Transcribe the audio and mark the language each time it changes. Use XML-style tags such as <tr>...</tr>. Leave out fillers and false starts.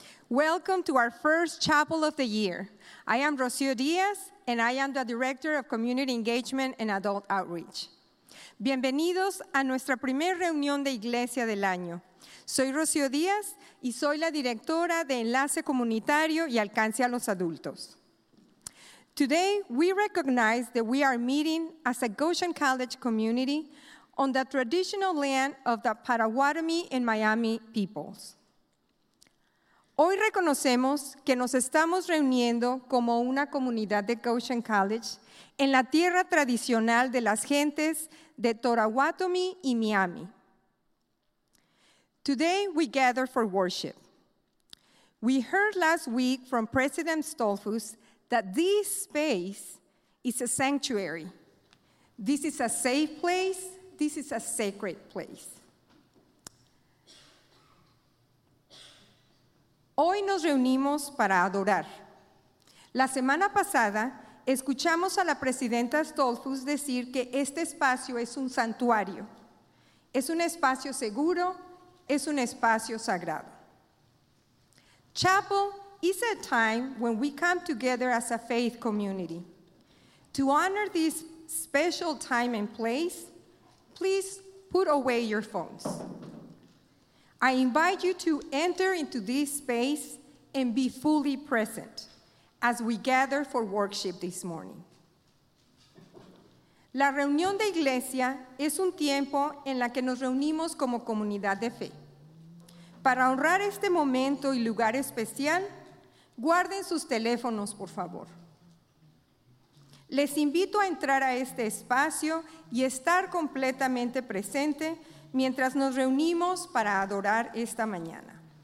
<en>Welcome to our first chapel of the year. I am Rocio Diaz, and I am the Director of Community Engagement and Adult Outreach.</en> <es>Bienvenidos a nuestra primera reunión de iglesia del año. Soy Rocio Diaz, y soy la Directora de Enlace Comunitario y Alcance a los Adultos.</es> <en>Today, we recognize that we are meeting as a Goshen College community on the traditional land of the Potawatomi and Miami peoples.</en> <es>Hoy reconocemos que nos estamos reuniendo como una comunidad de Goshen College en la tierra tradicional de las gentes de Potawatomi y Miami.</es> <en>Today we gather for worship. We heard last week from President Stolfus that this space is a sanctuary. This is a safe place. This is a sacred place.</en> <es>Hoy nos reunimos para adorar. La semana pasada, escuchamos a la presidenta Stolfus decir que este espacio es un santuario. Es un espacio seguro, es un espacio sagrado.</es> <en>Chapel is a time when we come together as a faith community. To honor this special time and place, please put away your phones. I invite you to enter into this space and be fully present as we gather for worship this morning.</en> <es>La reunión de iglesia es un tiempo en la que nos reunimos como comunidad de fe. Para honrar este momento y lugar especial, guarden sus teléfonos, por favor. Les invito a entrar a este espacio y estar completamente presente mientras nos reunimos para adorar esta mañana.</es>